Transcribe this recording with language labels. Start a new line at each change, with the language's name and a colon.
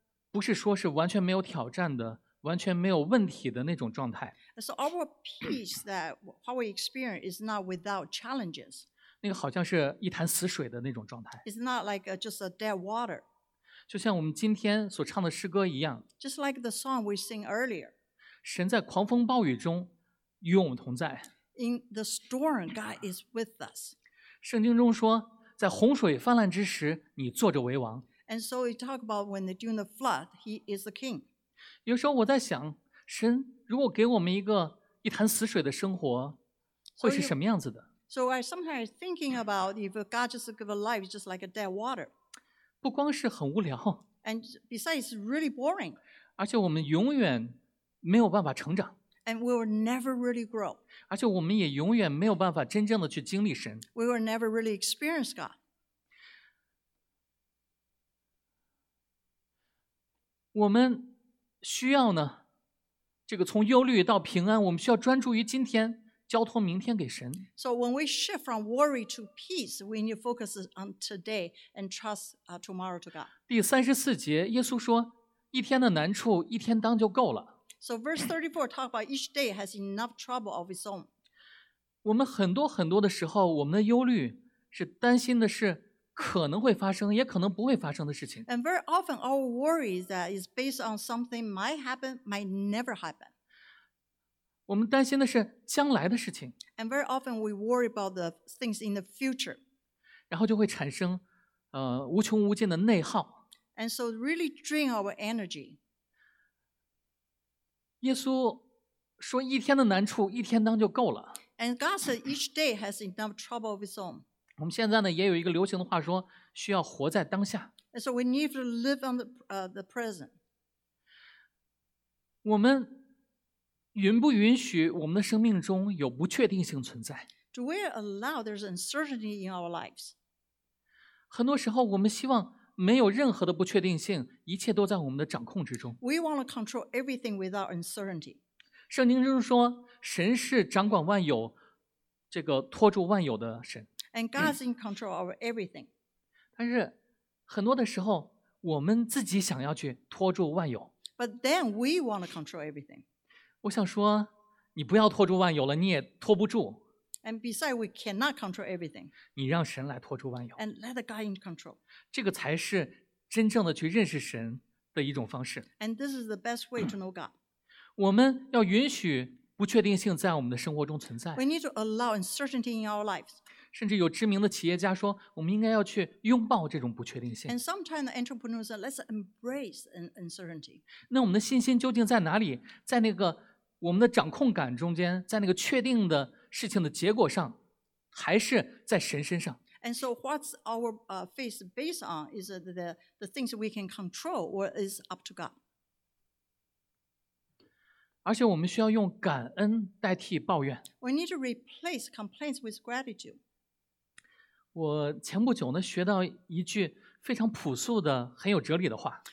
Chinese: 不是说是完全没有挑战的，完全没有问题的那种状态。
English: So our peace that how we experience is not without challenges.
Chinese: 那个好像是一潭死水的那种状态。
English: It's not like just a dead water.
Chinese: 就像我们今天所唱的诗歌一样。
English: Just like the song we sing earlier.
Chinese: 神在狂风暴雨中与我们同在。
English: In the storm, God is with us.
Chinese: 圣经中说，在洪水泛滥之时，你坐着为王。
English: And so we talk about when they're doing the flood, he is the king.
Chinese: 有时候我在想，神如果给我们一潭死水的生活，会是什么样子的？
English: So I sometimes thinking about if God just give a life just like a dead water.
Chinese: 不光是很无聊。
English: And besides, really boring.
Chinese: 而且我们永远没有办法成长。
English: And we will never really grow.
Chinese: 而且我们也永远没有办法真正的去经历神。
English: We will never really experience God.
Chinese: 我们需要呢，这个从忧虑到平安，我们需要专注于今天，交托明天给神。
English: So when we shift from worry to peace, we need to focus on today and trust tomorrow to God.
Chinese: 第34节，耶稣说：“一天的难处，一天当就够了。”
English: So verse 34 talk about each day has enough trouble of its own.
Chinese: 我们很多很多的时候，我们的忧虑是担心的是。可能会发生，也可能不会发生的事情。
English: And very often our worry is based on something might happen, might never happen.
Chinese: 我们担心的是将来的事情。
English: And very often we worry about the things in the future.
Chinese: 然后就会产生无穷无尽的内耗。
English: And so really drain our energy.
Chinese: 耶稣说一天的难处一天当就够了。
English: And God said each day has enough trouble of its own.
Chinese: 我们现在呢也有一个流行的话说，需要活在当下。
English: So we need to live on the present.
Chinese: 我们允不允许我们的生命中有不确定性存在
English: ？Do we allow there's uncertainty in our lives?
Chinese: 很多时候，我们希望没有任何的不确定性，一切都在我们的掌控之中。
English: We want to control everything without uncertainty.
Chinese: 圣经中说，神是掌管万有，这个托住万有的神。
English: And God's in control of everything.
Chinese: 但是很多的时候，我们自己想要去托住万有。
English: But then we want to control everything.
Chinese: 我想说，你不要托住万有了，你也托不住。
English: And besides, we cannot control everything.
Chinese: 你让神来托住万有。
English: And let God in control.
Chinese: 这个才是真正的去认识神的一种方式。
English: And this is the best way to know God.
Chinese: 我们要允许不确定性在我们的生活中存在。
English: We need to allow uncertainty in our lives.
Chinese: 甚至有知名的企业家说，我们应该要去拥抱这种不确定性。
English: And sometimes entrepreneurs say, let's embrace uncertainty.
Chinese: 那我们的信心究竟在哪里？在那个我们的掌控感中间，在那个确定的事情的结果上，还是在神身上
English: ？And so what's our faith based on? Is it the things we can control, or is up to God?
Chinese: 而且我们需要用感恩代替抱怨。
English: We need to replace complaints with gratitude.
Chinese: 我前不久呢学到一句非常朴素的很有哲理的话。